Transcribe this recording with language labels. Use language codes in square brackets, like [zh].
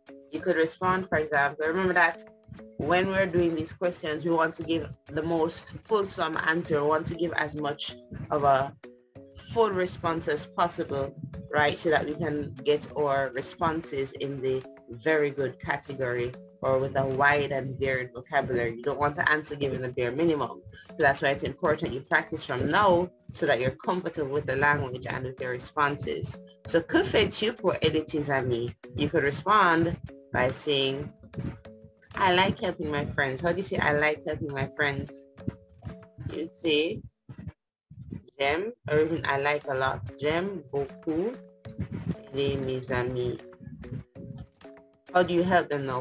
[en] You could respond, for example, remember that when we're doing these questions, we want to give the most fulsome answer. We want to give as much of a full response as possible, right, so that we can get our responses in the very good category or with a wide and varied vocabulary. You don't want to answer given the bare minimum. So that's why it's important you practice from now so that you're comfortable with the language and with your responses. [fr] So, que fais-tu pour aider tes amis? [en] You could respond by saying, I like helping my friends. How do you say, I like helping my friends? You'd say, j'aime, or even I like a lot. [fr] J'aime beaucoup les mes amis. [en] How do you help them though?